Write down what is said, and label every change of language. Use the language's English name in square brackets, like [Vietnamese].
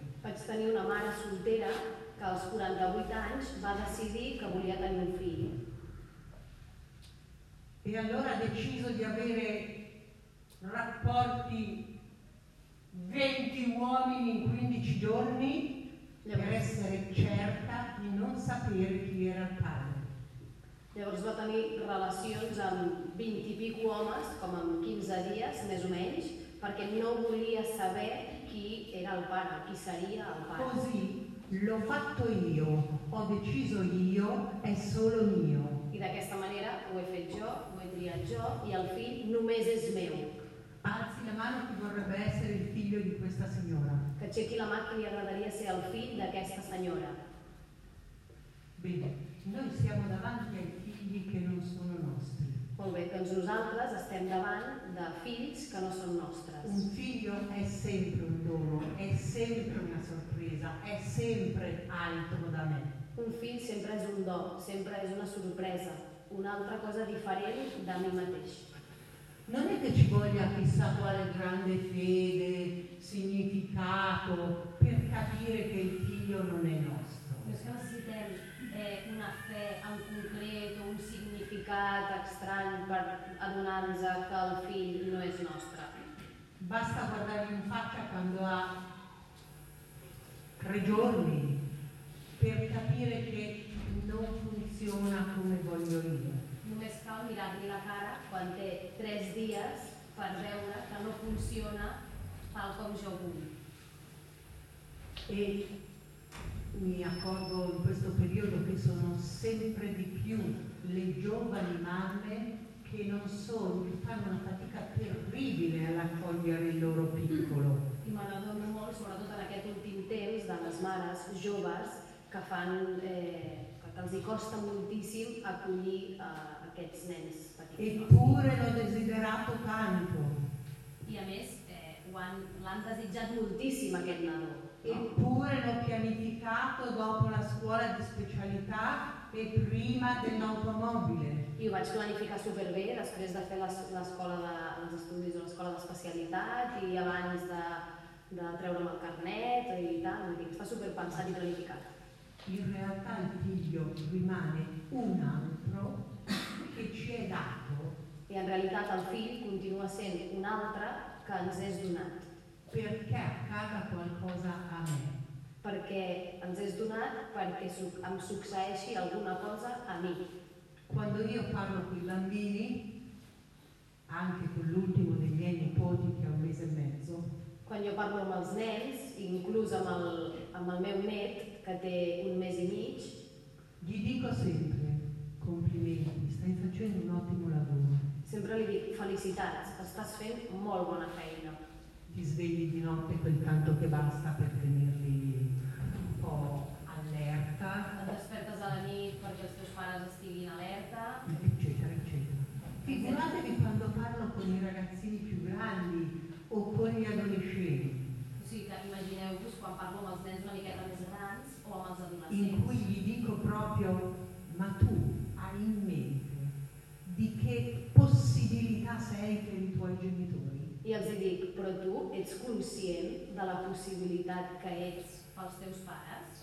[Catalan] Vaig tenir una mare soltera que als 48 anys va decidir que volia tenir un fill. [Italian] E allora ha deciso di avere rapporti 20 uomini in 15 giorni per essere certa di non sapere chi era il padre. [Catalan] Llavors va tenir relacions amb 20 i pico homes, com en 15 dies, més o menys, perquè no volia saber [Italian] chi era il padre, [Catalan] chi sarebbe il padre. [Italian] Così l'ho fatto io, ho deciso io, è solo mio. [Catalan] I d'aquesta manera ho he fet jo, ho he triat jo i el fill només és meu. [Italian] Alzi la mano chi vorrebbe essere il figlio di questa signora. [Catalan] Que aixequi la mà que li agradaria ser el fill d'aquesta senyora. [Italian] Bene, noi siamo davanti ai figli che non sono nostri. [Catalan] Molt bé, doncs nosaltres estem davant de fills que no són nostres. [Italian] Un figlio è sempre un dono, è sempre una sorpresa, è sempre altro da me. [Catalan] Un fill sempre és un do, sempre és una sorpresa, una altra cosa diferent de mi mateix. [Italian] Non è che ci voglia chissà quale grande fede, significato, per capire che il figlio non è nostro. [Catalan] No, se necessitem una fe en concreto, un significat estrany per adonar-nos que el fill no és nostre. [Italian] Basta guardare in faccia quando ha 3 giorni. Per capire che non funziona come voglio io. [Catalan] Només cal mirar-li la cara quan té 3 dies per veure que no funciona tal com jo vull. [Italian] E mi accorgo in questo periodo che sono sempre di più le giovani mamme che non sono, che fanno una fatica terribile ad accogliere il loro piccolo. [Catalan] I me n'adono molt, soprattutto in aquest últim temps, de les mares joves, que fan que els costa moltíssim acollir aquests nens petits. [Italian] Eppure l'ho desiderato tanto. [Catalan] I a més, l'han desitjat moltíssim aquest nadó. [Italian] Eppure l'ho pianificato dopo la scuola di specialità e prima dell'automobile. [Catalan] I ho vaig planificar superbé després de fer l'escola de les estudis o l'escola d'especialitat i abans de treure'm el carnet i tal. Vull dir, està superpensat i planificat. [Italian] In realtà il figlio rimane un altro che ci è dato e [Catalan] en realitat el fill continua sent un altre que ens és donat. Perquè cada qualcosa a mi? Perquè ens és donat perquè em succeeixi alguna cosa a mi. Quan jo parlo [Italian] con i bambini, anche con l'ultimo dei miei nipoti che ha un mese e mezzo. [Catalan] Quan jo parlo amb els nens, inclús amb el meu net, que té un mes i mig, [Italian] gli dico sempre, complimenti, stai facendo un ottimo lavoro. [Catalan] Sempre li dico, felicitats, estàs fent molt bona feina. [Italian] Ti svegli di notte quel tanto che basta per tenerli un po' allerta. [Catalan] Et despertes a la nit perquè els teus pares estiguin alerta. [Italian] Eccetera, eccetera. Figuratevi quando parlo con i ragazzini più grandi o con gli adolescenti. [Catalan] Sì, immagineu-vos quan parlo amb els nens una miqueta més grans o amb els adolescents. [Italian] In cui gli dico proprio, ma tu hai in mente di che possibilità sei per i tuoi genitori? [Catalan] I els dic, però tu ets conscient de la possibilitat que ets pels teus pares?